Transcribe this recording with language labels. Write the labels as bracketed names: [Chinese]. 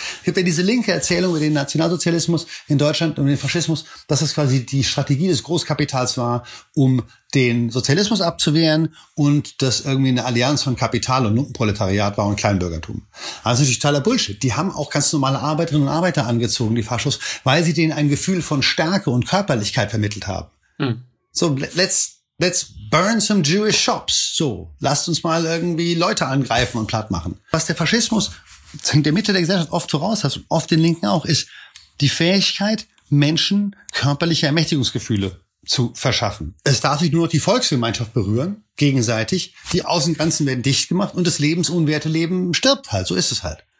[German] Es gibt ja diese linke Erzählung über den Nationalsozialismus in Deutschland und den Faschismus, dass es quasi die Strategie des Großkapitals war, um den Sozialismus abzuwehren und das irgendwie eine Allianz von Kapital und Lumpenproletariat war und Kleinbürgertum. Also totaler Bullshit. Die haben auch ganz normale Arbeiterinnen und Arbeiter angezogen, die Faschos, weil sie denen ein Gefühl von Stärke und Körperlichkeit vermittelt haben. [English] Hm. So, let's burn some Jewish shops. [German] So, lasst uns mal irgendwie Leute angreifen und platt machen. Was der Faschismus in der Mitte der Gesellschaft oft voraus hat, und oft den Linken auch, ist die Fähigkeit, Menschen körperliche Ermächtigungsgefühle zu verschaffen. Es darf sich nur noch die Volksgemeinschaft berühren, gegenseitig. Die Außengrenzen werden dicht gemacht und das lebensunwerte Leben stirbt halt. So ist es halt.